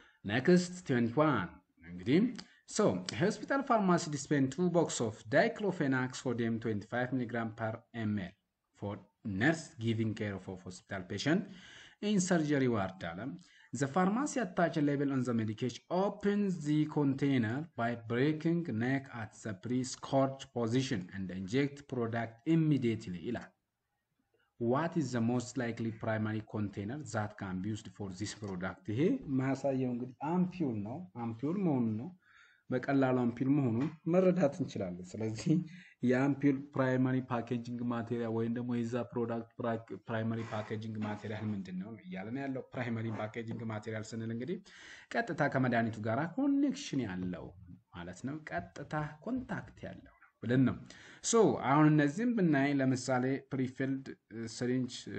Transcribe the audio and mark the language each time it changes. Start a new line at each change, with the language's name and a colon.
English: ኔክስት 21 እንግዲህ ሶ ሆስፒታል ፋርማሲ ዲስፔን ቱ ቦክስ ኦፍ ዳይክሎፌናክ ሶዲየም 25 ሚሊግራም ፐር ኤምኤል ፎር ነርስ ጊቪንግ ኬር ኦፍ ሆስፒታል ፔሽንት ኢን ሰርጀሪ ዋርድ አለ። The pharmacy attached a label on the medication opens the container by breaking neck at the pre-scorch position and inject product immediately. What is the most likely primary container that can be used for this product? He
Amharic: ማሳየው እንግዲህ አምፒውል ነው። አምፒውል መሆኑን ነው፣ በቀላሉ አምፒውል መሆኑን መረዳት እንችላለን። ስለዚህ የአምፒውል ፕራይማሪ ፓኬጂንግ ማቴሪያል ወይም ደግሞ የዛ ፕሮዳክት ፕራይማሪ ፓኬጂንግ ማቴሪያል ምንድን ነው እያለን ያለው። ፕራይማሪ ፓኬጂንግ ማቴሪያል ስንል እንግዲህ ቀጥታ ከመድኃኒቱ ጋር ኮኔክሽን ያለው ማለት ነው፣ ቀጥታ ኮንታክት ያለው ብለን ነው። ሶ አሁን እነዚህም ብናይ ለምሳሌ ፕሪፊልድ ስሪንጅ